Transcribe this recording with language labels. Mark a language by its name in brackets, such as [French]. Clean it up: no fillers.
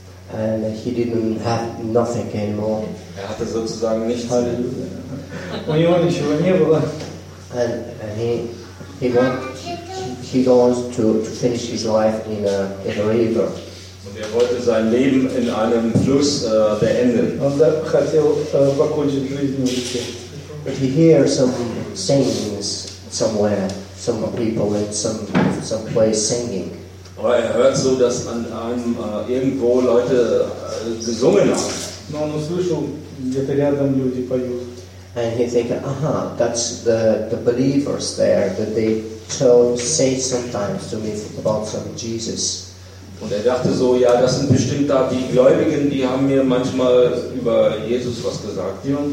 [English] And he didn't have nothing anymore. [German] Er hatte sozusagen nichts mehr. [English] And he wanted to finish his life in a river. [German] Und er wollte sein Leben in einem Fluss beenden. Und er wollte sein Leben in einem [English] But he hears some singings somewhere, some people in some place singing. [German] Aber er hört so, dass an einem irgendwo Leute gesungen haben. [Russian] Но он услышал, где-то рядом люди поют. [English] And he thinks, aha, that's the believers there that they say sometimes to me about some Jesus. [German] Und er dachte so, ja, das sind bestimmt da die Gläubigen, die haben mir manchmal über Jesus was gesagt.